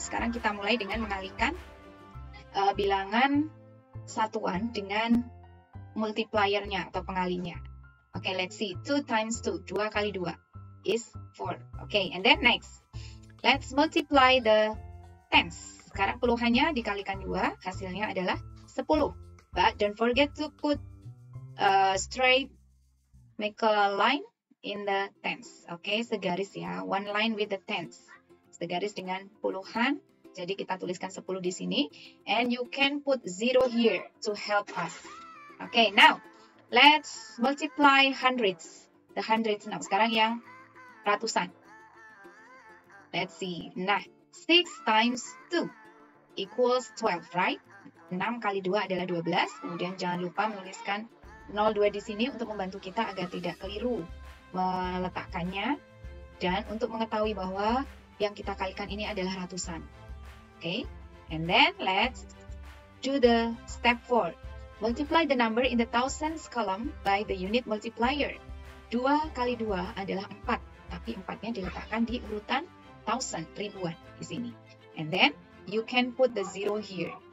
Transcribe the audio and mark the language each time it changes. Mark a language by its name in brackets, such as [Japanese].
[Indonesian] Sekarang kita mulai dengan mengalihkan bilangan satuan dengan multipliernya atau pengalinya. [English] Okay, let's see. 2 times 2, [Indonesian] 2 kali 2. [English] Is 4. Okay, and then next, let's multiply the tens. [Indonesian] Sekarang puluhannya dikalikan 2, hasilnya adalah 10. [English] But don't forget to put a straight, make a line in the tens. [Indonesian] Okay, segaris ya, [English] one line with the tens. [Indonesian] Segaris dengan puluhan, jadi kita tuliskan 10 di sini. [English] And you can put 0 here to help us. Okay, now, let's multiply hundreds. The hundreds now, [Indonesian] sekarang yang ratusan. [English] Let's see. Nah, 6 times 2 equals 12, right? [Indonesian] 6 kali 2 adalah 12. Kemudian jangan lupa menuliskan 02 di sini untuk membantu kita agar tidak keliru meletakkannya. Dan untuk mengetahui bahwa yang kita kalikan ini adalah ratusan. Okay? [English] And then let's do the step 4. Multiply the number in the thousands column by the unit multiplier. [Indonesian] 2 kali 2 adalah 4, tapi 4-nya diletakkan di urutan thousand, ribuan di sini. [English] And then you can put the zero here.